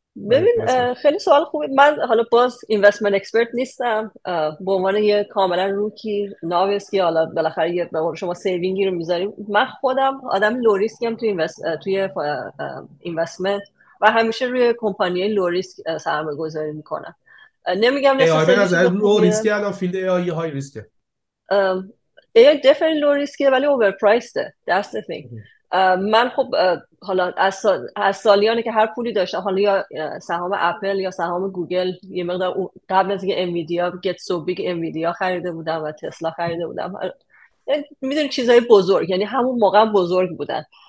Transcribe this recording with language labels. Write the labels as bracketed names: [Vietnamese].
[Persian] ببین خیلی سوال خوبی، من حالا باز اینوستمنت اکسپرت نیستم، به عنوان یه کاملا روکی نویس که حالا بالاخره یه به شما سیوینگی رو میذاریم، من خودم آدم لو ریسکی هم توی اینوستمنت و همیشه روی کمپانی های لو ریسک سرمایه گذاری میکنم. نمیگم نسیسی ای آی لو ریسکی، الان فیلد ای آی های ریسکه، [English] AI definitely low risk ولی overpriced، that's the thing. [Persian] من خب حالا از سالیانی که هر پولی داشتم، حالا یا سهام اپل یا سهام گوگل، یه مقدار قبل از اینکه انویدیا گت سو بیگ، انویدیا خریده بودم و تسلا خریده بودم، میدونی چیزهای بزرگ، یعنی همون موقع بزرگ بودن.